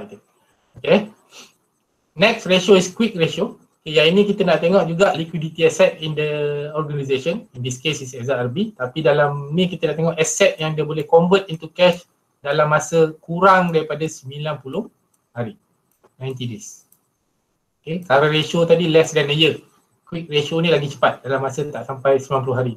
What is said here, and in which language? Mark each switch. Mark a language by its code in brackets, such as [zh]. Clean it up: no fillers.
[en] Okay. Okay, next ratio is quick ratio. [ms] Ya, ini kita nak tengok juga [en] liquidity asset in the organization. In this case is SRB. [ms] Tapi dalam ni kita nak tengok asset yang dia boleh [en] convert into cash [ms] dalam masa kurang daripada 90 hari. [en] 90 days. Okay, current ratio tadi less than a year. [ms] Quick ratio ni lagi cepat dalam masa tak sampai 90 hari.